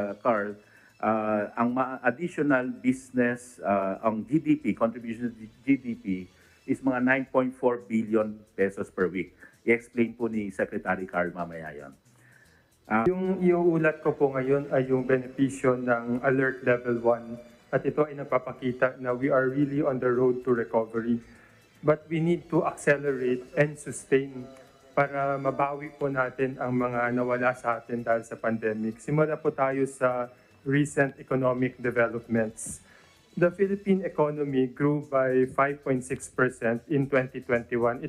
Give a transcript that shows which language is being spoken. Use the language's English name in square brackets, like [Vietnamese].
[English] Carl, [Filipino] ang [English] additional business, ang GDP, contribution to GDP, is [Filipino] mga [English] 9.4 billion pesos per week. [Filipino] I-explain po ni Secretary Carl mamaya yan. Yung iuulat ko po ngayon ay yung benepisyo ng Alert Level 1. At ito ay napapakita na [English] we are really on the road to recovery. But we need to accelerate and sustain [Filipino] para mabawi po natin ang mga nawala sa atin dahil sa pandemic. Simula po tayo sa recent economic developments. [English] The Philippine economy grew by 5.6% in 2021.